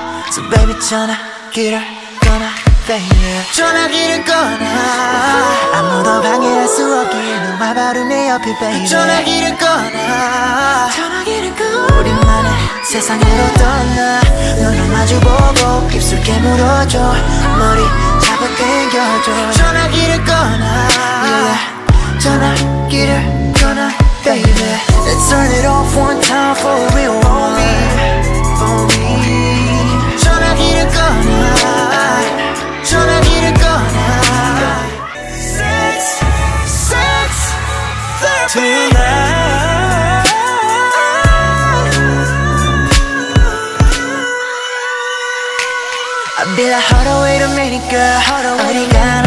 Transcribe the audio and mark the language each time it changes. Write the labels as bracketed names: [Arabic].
[English] So baby, [Korean] 전화기를 꺼놔, baby. 전화기를 꺼놔. 아무도 방해할 수 없게 너와 바로 내 옆에, baby. 전화기를 꺼놔. 우리만의 세상으로 떠나. 눈을 마주보고 깊숙이 물어줘 머리. 전화기를 꺼놔 yeah. [English] 전화기를 꺼놔 baby Let's turn it off one time for real one for me [Korean] 전화기를 꺼놔 전화기를 꺼놔 [English] Sex, sex, tonight Be like, hold on, wait a minute, girl. Hold on, wait a minute.